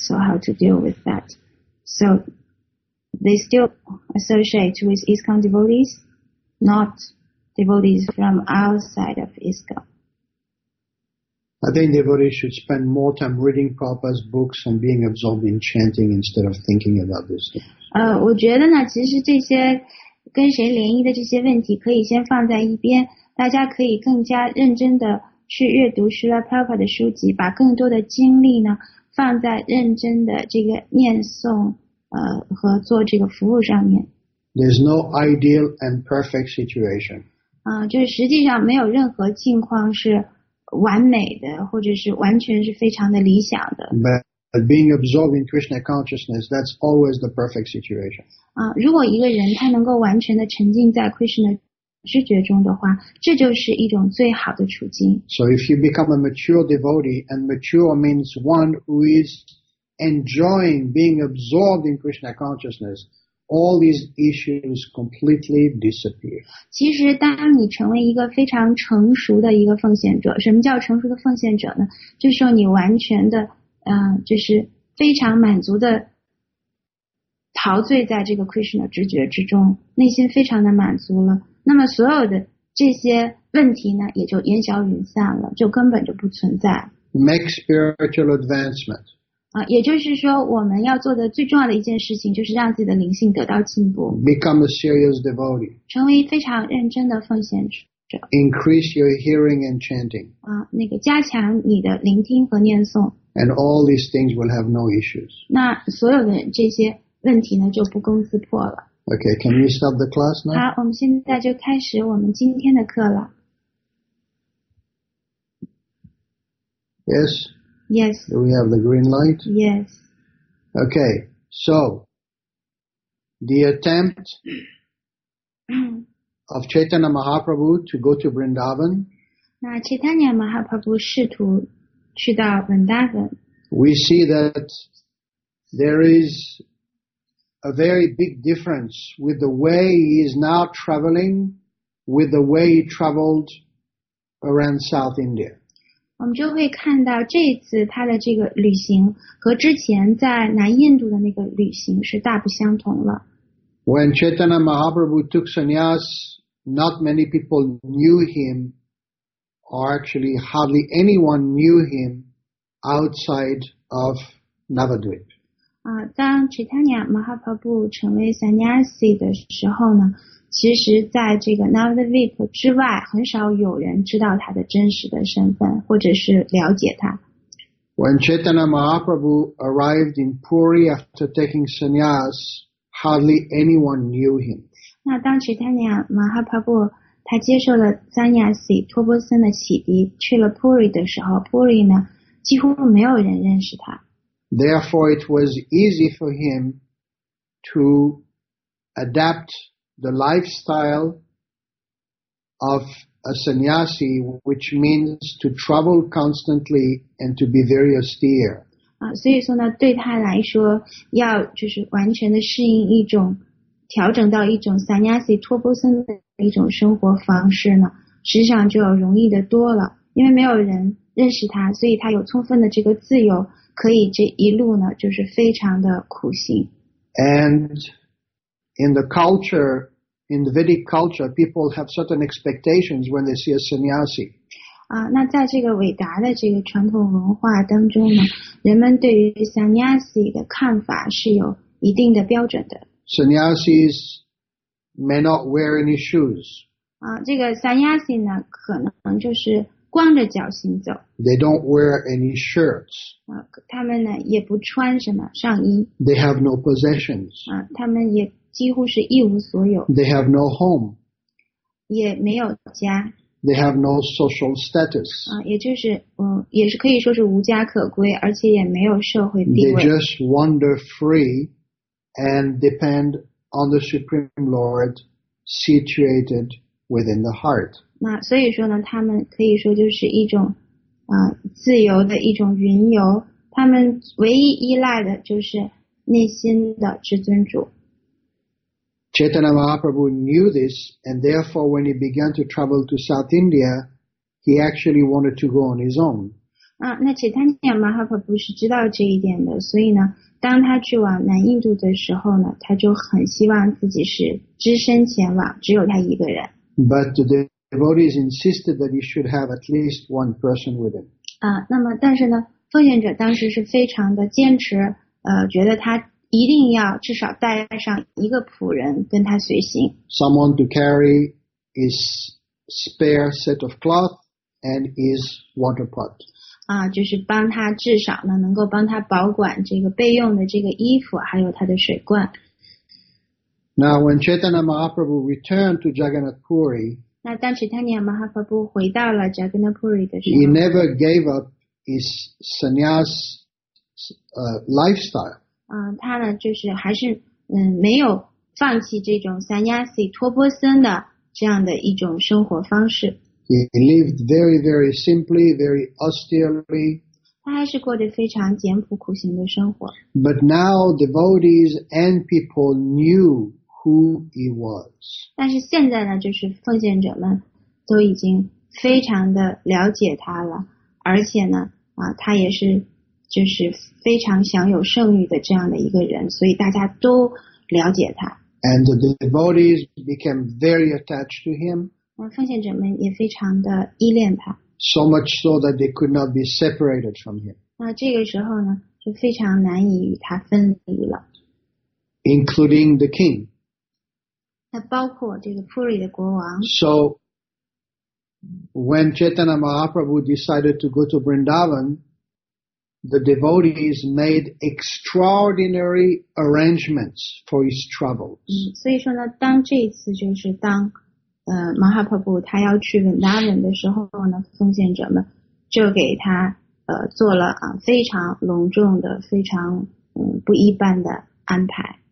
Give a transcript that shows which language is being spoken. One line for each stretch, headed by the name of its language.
English: So how to deal with that? So they still associate with ISKCON devotees. Not devotees from outside of ISKCON. I think devotees should spend more time reading Prabhupada's books and being absorbed in chanting instead of thinking about these things.
Chinese: 我觉得呢，其实这些跟谁联谊的这些问题可以先放在一边，大家可以更加认真的去阅读Srila Prabhupada的书籍，把更多的精力呢放在认真的这个念诵和做这个服务上面。
English: There's no ideal and perfect situation.
Chinese: 就是实际上没有任何境况是完美的，或者是完全是非常的理想的。
English: But being absorbed in Krishna consciousness, that's always the perfect situation.
Chinese: 如果一个人他能够完全的沉浸在 Krishna 知觉中的话，这就是一种最好的处境。
English: So if you become a mature devotee, and mature means one who is enjoying being absorbed in Krishna consciousness,All these issues completely disappear.
Chinese: 其实当你成为一个非常成熟的一个奉献者，什么叫成熟的奉献者呢？就是说你完全的，就是非常满足的陶醉在这个 Krishna 直觉之中，内心非常的满足了，那么所有的这些问题呢，也就烟消云散了，就根本就不存在。
English: Make spiritual advancement.
Chinese: 也就是说我们要做的最重要的一件事情就是让自己的灵性得到进步。
English: Become a serious devotee.
Chinese: 成为非常认真的奉献者。
English: Increase your hearing and chanting.
Chinese: 那个加强你的聆听和念诵。
English: And all these things will have no issues.
Chinese: 那所有的这些问题呢就不攻自破了。
English: Okay, can we start the class now?
Chinese: 好，我们现在就开始我们今天的课了。
English: Yes? Yes. Do we have the green light? Yes. Okay, so the attempt of Chaitanya Mahaprabhu to go to Vrindavan.
Chinese: 那 Chaitanya Mahaprabhu 试图去到 Vrindavan.
English: We see that there is a very big difference with the way he is now traveling with the way he traveled around South India.
Chinese: 我们就会看到这一次他的这个旅行和之前在南印度的那个旅行是大不相同了。
English: When Chaitanya Mahaprabhu took sannyas, not many people knew him, or actually hardly anyone knew him outside of Navadvip.
Chinese: 当 Chaitanya Mahaprabhu 成为 sannyasi 的时候呢，其实在这个 Navadvip 之外很少有人知道他的真实的身份或者是了解他。
English: When Chaitanya Mahaprabhu arrived in Puri after taking sannyas, hardly anyone knew him.
Chinese: 那当 Chaitanya Mahaprabhu 他他接受了赞亚西托波森的洗涤，去了 Puri 的时候， Puri 呢几乎没有人认识他。
English: Therefore, it was easy for him to adapt the lifestyle of a sannyasi, which means to travel constantly and to be very austere.
Chinese: 所以说呢，对他来说，要就是完全的适应一种，调整到一种 sannyasi 托钵僧的一种生活方式呢，实际上就要容易的多了。因为没有人认识他，所以他有充分的这个自由，可以这一路呢就是非常的苦行。
English: And in the culture, in the Vedic culture, people have certain expectations when they see a sannyasi.
Chinese: 那在这个伟达的这个传统文化当中呢，人们对于 sannyasi 的看法是有一定的标准的。
English: Sannyasis may not wear any shoes.
Chinese: 这个 sannyasi 呢可能就是光着脚行走。
English: They don't wear any shirts.
Chinese: 他们呢也不穿什么上衣。
English: They have no possessions.
Chinese: 他们也几乎是一无所有。
English: They have no home.
Chinese: 也没有家。
English: They have no social status.
Chinese: 也就是也是可以说是无家可归，而且也没有社会地位。
English: They just wander free and depend on the Supreme Lord situated within the heart.
Chinese: 所以说呢，他们可以说就是一种自由的一种云游，他们唯一依赖的就是内心的至尊主。
English: Chaitanya Mahaprabhu knew this, and therefore when he began to travel to South India, he actually wanted to go on his own.
Chinese: 那 Chaitanya Mahaprabhu 是知道这一点的，所以呢，当他去往南印度的时候呢，他就很希望自己是只身前往，只有他一个人。
English: But the devotees insisted that he should have at least one person with him.
Chinese: 那么但是呢，奉献者当时是非常的坚持，觉得他一定要至少带上一个仆人跟他随行。
English: Someone to carry his spare set of cloth and his water pot.
Chinese: 就是帮他至少呢，能够帮他保管这个备用的这个衣服，还有他的水罐。
English: Now, when Chaitanya Mahaprabhu returned to Jagannath Puri,
Chinese: 那当 Chaitanya Mahaprabhu 回到了 Jagannath Puri 的时候，
English: he never gave up his sannyas lifestyle.
Chinese: 他呢就是还是没有放弃这种 sannyasi 托钵僧的这样的一种生活方式。
English: He lived very, very simply, very austerely.
Chinese: 他还是过着非常简朴苦行的生活。
English: But now devotees and people knew who he was.
Chinese: 但是现在呢，就是奉献者们都已经非常的了解他了，而且呢，他也是就是非常享有盛誉的这样的一个人，所以大家都了解他。
English: And the devotees became very attached to him.
Chinese: 奉献者们也非常的依恋他。 So much so that they could not be separated from him. 这个时候呢，就非常难以与他分离了。 Including the king. 包括这个 Puri 的国王。
English: So, when Chaitanya Mahaprabhu decided to go to Vrindavan, the devotees made extraordinary arrangements for his travels.
Chinese: 所以说呢，当这一次就是当马哈帕布他要去文达文的时候呢，奉献者们就给他做了非常隆重的非常不一般的安排。